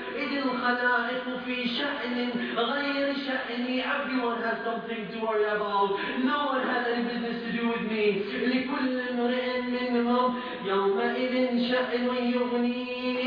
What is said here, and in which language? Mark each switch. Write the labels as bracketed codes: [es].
[ar] إذ الخلائق في شأن غير شأني. [en] Everyone has something to worry about. No one had any business to do with me. [ar] لكل امرئ منهم يومئذ شأن يغنيه.